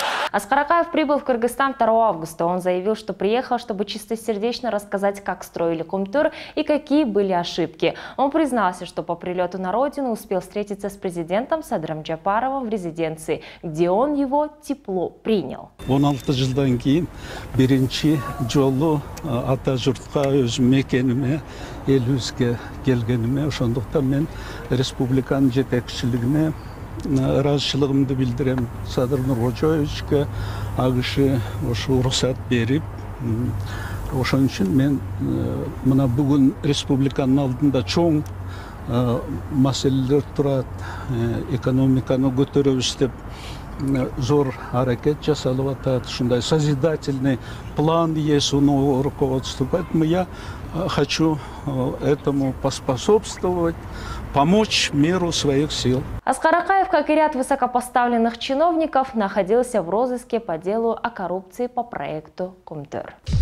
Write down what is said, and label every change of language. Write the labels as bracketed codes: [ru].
[ru] Аскар Акаев прибыл в Кыргызстан 2 августа. Он заявил, что приехал, чтобы чистосердечно рассказать, как строили Кумтор и какие были ошибки. Он признался, что по прилету на родину успел встретиться с президентом Садыром Джапаровым в резиденции, где он его тепло принял. [ky] 16 жылдан кийин биринчи жолу ата журтка өзүм мекениме элибизге келгениме ошондуктан мен республиканын жетекчилигине ыраазычылыгымды билдирем. Садыр Нуркожоевичке АКШ ушул уруксат берип, ошон үчүн мен мына бүгүн республиканын алдында чоң маселелер турат, экономиканы көтөрөбүз деп зор аракет жасалып атат. [ru] Ушундай созидательный план есть у нового руководства. Поэтому я хочу этому поспособствовать, помочь меру своих сил. Аскар Акаев, как и ряд высокопоставленных чиновников, находился в розыске по делу о коррупции по проекту «Кумтор».